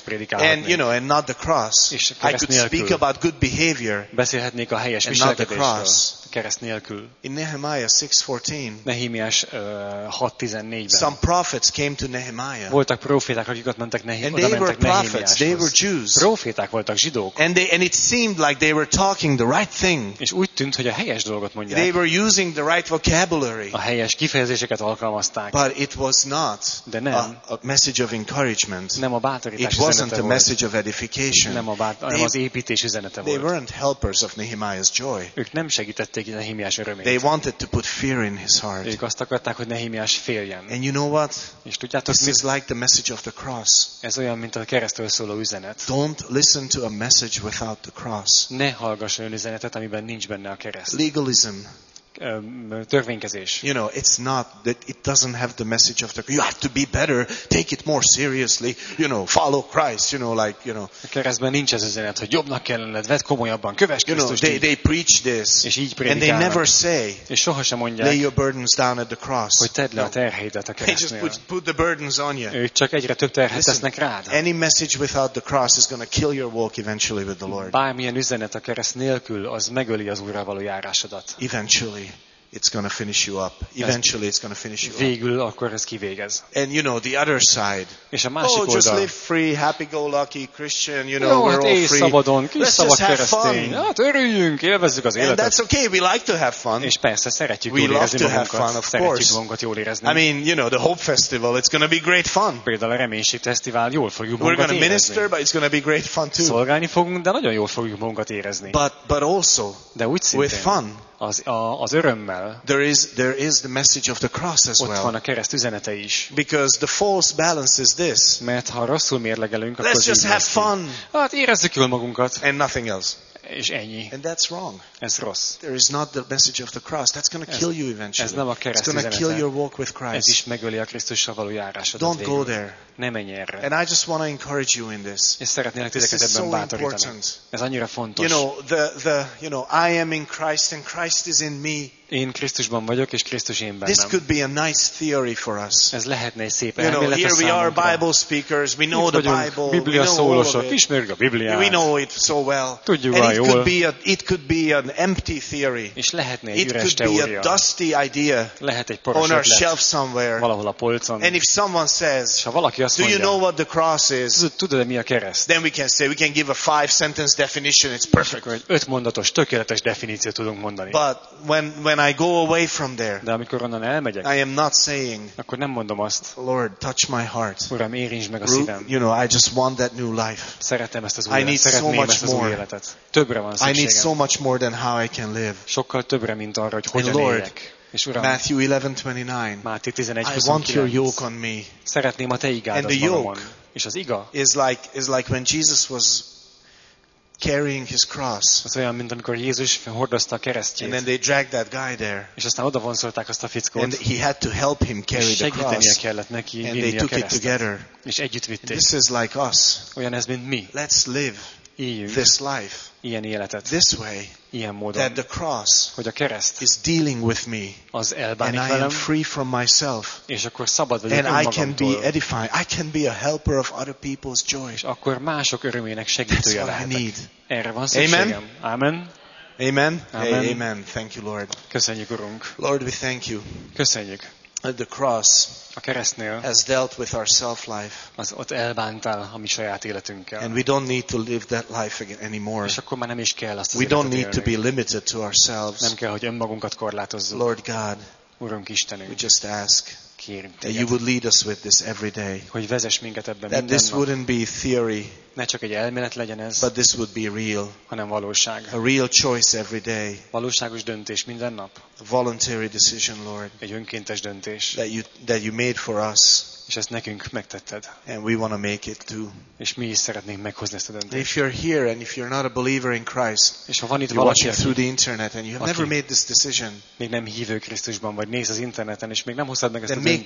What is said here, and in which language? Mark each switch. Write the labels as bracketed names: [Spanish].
[Hungarian] prédikálhatnék. [English] And you know, and not the cross. I could speak about good behavior. [Hungarian] Beszélhetnék a helyes viselkedésről. Kereszt nélkül. [English] In Nehemiah 6:14. [Hungarian] Nehémiás 6:14-ben. [English] Some prophets came to Nehemiah. [Hungarian] Voltak proféták, akik ott mentek [English] Nehémiáshoz. They were Jews. [Hungarian] Proféták voltak, zsidók. [English] And it seemed like they were talking the right thing. [Hungarian] És úgy tűnt, hogy a helyes dolgot mondják. [English] They were using the right vocabulary. [Hungarian] A helyes kifejezéseket alkalmazták. [English] But it was not [Hungarian] de nem. [English] A message of encouragement. [Hungarian] Nem a bátorítás [English] it wasn't [Hungarian] üzenete [English] a [Hungarian] volt. [English] Message of edification. [Hungarian] Nem a bátorítás, az építés üzenete [English] they [Hungarian] volt. [English] They weren't helpers of Nehemiah's joy. [Hungarian] Ők nem segített Nehémiás örömét. [English] They wanted to put fear in his heart. [Hungarian] Ők azt akarták, hogy Nehémiás féljen. [English] And you know what? [Hungarian] És tudjátok, [English] this is like the message of the cross. [Hungarian] Ez olyan, mint a keresztről szóló üzenet. [English] Don't listen to a message without the cross. [Hungarian] Ne hallgass olyan üzenetet, amiben nincs benne a kereszt. [English] Legalism. [Hungarian] Törvénykezés. [English] You know, it's not that it doesn't have the message of the cross. You have to be better, take it more seriously, you know, follow Christ, you know, like, you know. [Hungarian] A keresztben nincs ez üzenet, hogy jobbnak kell lenned, vedd komolyabban, kövess Krisztust. [English] You know, they preach this. [Hungarian] És így prédikálnak. [English] And they never say. [Hungarian] És sohasem mondják. [English] Lay your burdens down at the cross. [Hungarian] Hogy tedd le a terheidet a keresztnél. [English] They just put the burdens on you. [Hungarian] Ők csak egyre több terhet tesznek rád. [English] Any message without the cross is going to kill your walk eventually with the Lord. [Hungarian] Bármilyen üzenet a kereszt nélkül, az megöli az Úrral való járásodat. [English] Eventually. It's going to finish you up. Eventually, it's going to finish you up. [Hungarian] Végül akkor ez kivégez. [English] And you know, the other side. [Hungarian] És a másik oldal. [English] Oh, just live free, happy-go-lucky Christian, you know, we're all free. [Hungarian] Szabadon, kis szabad keresztény. Hát örüljünk, élvezzük az életet. [English] And that's okay, we like to have fun. [Hungarian] És persze, szeretjük jól érezni magunkat. [English] We love to have fun, of course. [Hungarian] Szeretjük magunkat jól érezni. [English] I mean, you know, the Hope Festival, it's going to be great fun. [Hungarian] Például a reménységfesztivál, jól fogjuk magunkat érezni. [English] We're going to minister, but it's going to be great fun too. [Hungarian] Szolgálni fogunk, de nagyon jól fogjuk magunkat érezni. [English] But also, [Hungarian] de úgy szintén, [English] with fun. [Hungarian] Az örömmel. [English] There is the message of the cross as well. [Hungarian] Ott van a kereszt üzenete is. [English] Because the false balance is this. [Hungarian] Mert ha rosszul mérlegelünk, [English] let's just have fun. [Hungarian] Hát érezzük jól magunkat. [English] And nothing else. [Hungarian] És ennyi. [English] And that's wrong. [Hungarian] Ez rossz. [English] There is not the message of the cross. That's going to kill you eventually. [Hungarian] Ez nem a kereszt üzenete. [English] It's going to kill your walk with Christ. [Hungarian] Ez is megöli a Krisztussal való járásodat. [English] Don't go there. [Hungarian] Ne menj erre. [English] And I just want to encourage you in this. [Hungarian] És szeretnélek titeket ebben bátorítani. Ez annyira fontos. [English] You know, the you know, I am in Christ and Christ is in me. [Hungarian] én Krisztusban vagyok és Krisztus én bennem. [English] This could be a nice theory for us. [Hungarian] Ez lehetne egy szép elmélet a számunkra. [English] Here we are Bible speakers. We know the Bible. [Hungarian] Biblia szólósok, ismerjük a Bibliát. [English] We know it so well. [Hungarian] Tudjuk rá jól. [English] It could be an empty theory. [Hungarian] És lehetne egy üres teória. [English] It could be a dusty idea. [Hungarian] Lehet egy poros ötlet. [English] On our shelf somewhere. [Hungarian] Valahol a polcon. [English] And if someone says, [Hungarian] és ha valaki azt mondja, [English] do you know what the cross is? [Hungarian] Tudod-e mi a kereszt? [English] Then we can say, we can give a 5-sentence definition. It's perfect. [Hungarian] Egy 5 mondatos tökéletes definíciót tudunk mondani. [English] But when I go away from there, [Hungarian] de amikor onnan elmegyek, [English] I am not saying, [Hungarian] akkor nem mondom azt, [English] Lord, touch my heart. [Hungarian] Uram, érintsd meg a szívem. [English] You know, I just want that new life. [Hungarian] Szeretem ezt az új életet. Szeretném ezt az új életet. Többre van szükségem. [English] I need so much more than how I can live. [Hungarian] Sokkal többre, mint arra, hogy hogyan éljek. És Uram, [English] Matthew 11:29. I want your yoke on me. [Hungarian] Szeretném a te igádat. [English] And the yoke, [Hungarian] és az iga, [English] is like when Jesus was carrying his cross. [Hungarian] Az olyan, mint amikor Jézus hordozta a keresztjét. [English] And then they dragged that guy there. [Hungarian] És aztán oda vonszolták azt a fickót. [English] And he had to help him carry the cross. [Hungarian] Segítenie kellett neki vinni a keresztet. [English] And they took it together. [Hungarian] És együtt vitték. [English] This is like us. [Hungarian] Olyan ez, mint mi. [English] Let's live this life. [Hungarian] Ilyen életet. [English] This way. [Hungarian] Ilyen módon. [English] That the cross, [Hungarian] hogy a kereszt, [English] is dealing with me. [Hungarian] Az elbánik velem. [English] And I am free from myself. [Hungarian] És akkor szabad vagyok önmagamtól. [English] And I can be edifying. I can be a helper of other people's joy. [Hungarian] És akkor mások örömének segítője lehetek. Erre van szükségem. Amen. Amen. Amen. Amen. [English] Hey, amen. Thank you, Lord. [Hungarian] Köszönjük, Urunk. [English] Lord, we thank you. [Hungarian] Köszönjük. [English] At the cross, [Hungarian] a keresztnél, [English] has dealt with our self-life. [Hungarian] Az ott elbántál a mi saját életünkkel. [English] And we don't need to live that life again anymore. [Hungarian] És akkor már nem is kell azt az [English] we don't need to be limited to ourselves. [Hungarian] Nem kell, hogy önmagunkat korlátozzuk. [English] Lord God, [Hungarian] Urunk Istenünk, [English] we just ask, [Hungarian] kérünk téged, [English] that you would lead us with this every day. [Hungarian] Hogy vezess minket ebben minden nap. [English] This wouldn't be theory. [Hungarian] Ne csak egy elmélet legyen ez. [English] But this would be real. [Hungarian] Hanem valóság. [English] A real choice every day. [Hungarian] Valóságos döntés minden nap. [English] A voluntary decision, Lord. [Hungarian] Egy önkéntes döntés. [English] That you made for us. [Hungarian] És ezt nekünk megtetted. [English] And we want to make it too. [Hungarian] És mi is szeretnénk meghozni ezt a döntést. [English] If you're here and if you're not a believer in Christ, [Hungarian] és ha van itt valaki, [English] you're through the internet and you have never made this decision, [Hungarian] még nem hívő Krisztusban vagy, néz az interneten és még nem hoztad meg ezt a döntést,